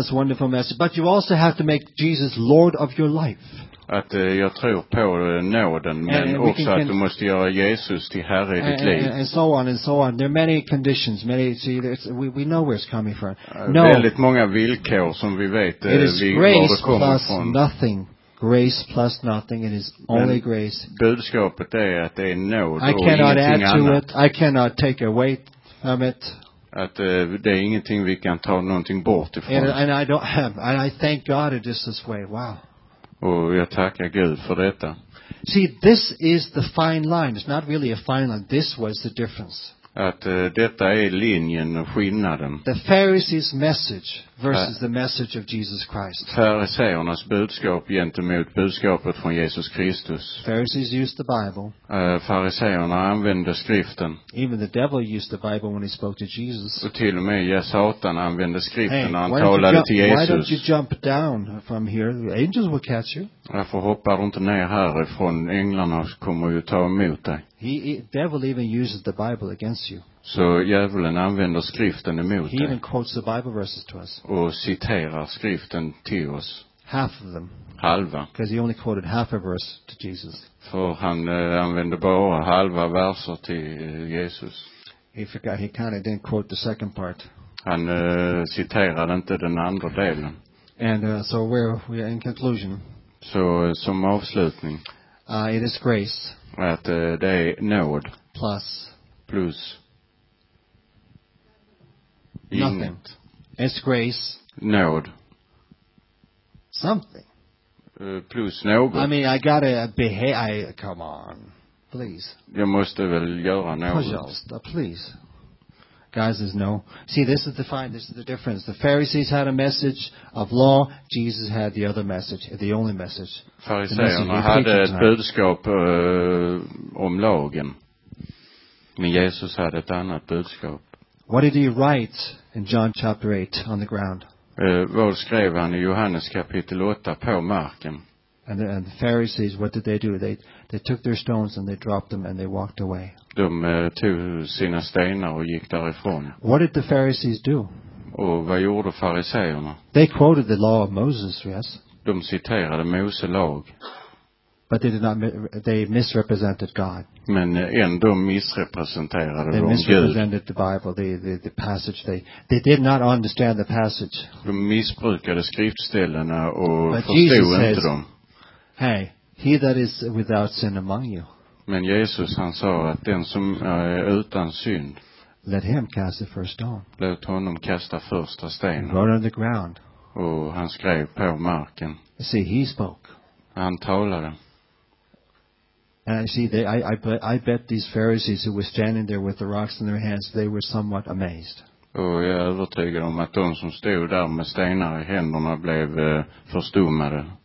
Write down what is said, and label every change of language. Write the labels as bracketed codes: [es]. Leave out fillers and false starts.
[en] That's a wonderful message. But you also have to make Jesus Lord of your life. [sv] Att jag tror på nåden, men också att du måste göra Jesus till Herre i ditt liv. [en] And so on. There are many conditions. We know where it's coming from. No. [sv] Väldigt många villkor som vi vet. [en] It is grace plus nothing. Grace plus nothing. It is only grace. [sv] Budskapet är att det är nåd. [en] I cannot add to it. I cannot take away from it. [sv] Att det är ingenting vi kan ta någonting bort ifrån. [en] And I thank God it is this way. Wow. [sv] Och jag tackar Gud för detta. [en] See, this is the fine line. It's not really a fine line. This was the difference. [sv] Att detta är linjen och skillnaden. [en] The Pharisees' message versus the message of Jesus Christ. [sv] Fariseernas budskap gentemot budskapet från Jesus Kristus. [en] Pharisees used the Bible. [sv] Fariseerna använde skriften. [en] Even the devil used the Bible when he spoke to Jesus. [sv] Och till och med Satan använde skriften när han talade till Jesus. [en] Why don't you jump down from here? The angels will catch you. [sv] Varför hoppar du inte ner härifrån? Änglarna kommer ju ta emot dig. [en] Devil even uses the Bible against you. [sv] Så djävulen använder skriften emot [en] dig. He even quotes the Bible verses to us. [sv] Och citerar skriften till oss. [en] Half of them. [sv] Halva. [en] Because he only quoted half a verse to Jesus. [sv] För han använde bara halva verser till Jesus. [en] He forgot, he kind of didn't quote the second part. [sv] Han citerade inte den andra delen. [en] And so we're in conclusion. [sv] Så som avslutning. [en] It is grace. [sv] Att det är nåd. [en] Plus. Nothing. It's grace. [sv] Nåd. [en] Something. [sv] Plus nåd. [en] I mean, I gotta behave. Come on. Please. [sv] Jag måste väl göra nåd. [en] Please. Guys, there's no. See, this is the difference. The Pharisees had a message of law. Jesus had the other message, the only message. [sv] Fariseerna hade ett budskap om lagen. Men Jesus hade ett annat budskap. [en] What did he write in John chapter 8 on the ground? [sv] Vad skrev han i Johannes kapitel 8 på marken? [en] And the Pharisees, what did they do? They took their stones and they dropped them and they walked away. [sv] De tog sina stenar och gick därifrån. [en] What did the Pharisees do? [sv] Och vad gjorde fariseerna? [en] They quoted the law of Moses, yes. [sv] De citerade Mose lag. [en] But they misrepresented God. [sv] Men ändå missrepresenterade de Gud. [en] They misrepresented the Bible, the passage. They did not understand the passage. [sv] De missbrukade skriftställena och förstod inte dem. [en] Hey, he that is without sin among you. [sv] Men Jesus han sa att den som är utan synd. [en] Let him cast the first stone. [sv] Låt honom kasta första stenen. [en] He wrote on the ground. [sv] Och han skrev på marken. [en] See, he spoke. [sv] Han talade. [en] And I bet these Pharisees who were standing there with the rocks in their hands, they were somewhat amazed. [sv] Och jag är övertygad om att de som stod där med stenar i händerna blev förstummade.